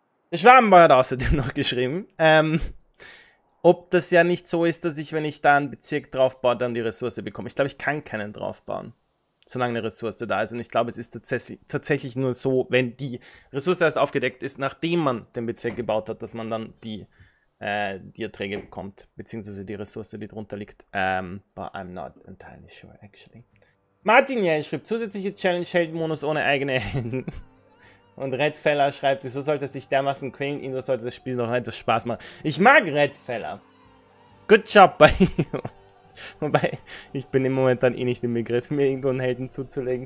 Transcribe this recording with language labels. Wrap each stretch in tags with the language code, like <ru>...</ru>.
<de>Der Schwabenboy hat außerdem noch geschrieben, ob das ja nicht so ist, dass ich, wenn ich da einen Bezirk draufbaue, dann die Ressource bekomme. Ich glaube, ich kann keinen draufbauen, solange eine Ressource da ist. Und ich glaube, es ist tatsächlich nur so, wenn die Ressource erst aufgedeckt ist, nachdem man den Bezirk gebaut hat, dass man dann die Erträge bekommt, beziehungsweise die Ressource, die drunter liegt.</de> <en>But I'm not entirely sure, actually.</en> <de>Martin, ja, schreibt, zusätzliche Challenge-Held-Monus ohne eigene Helden. Und Redfeller schreibt, wieso sollte sich dermaßen quälen? Ihnen sollte das Spiel noch etwas Spaß machen. Ich mag Redfeller.</de> <en>Good job</en> <de>bei you. Wobei, ich bin im Moment dann eh nicht im Begriff, mir irgendwo einen Helden zuzulegen.</de>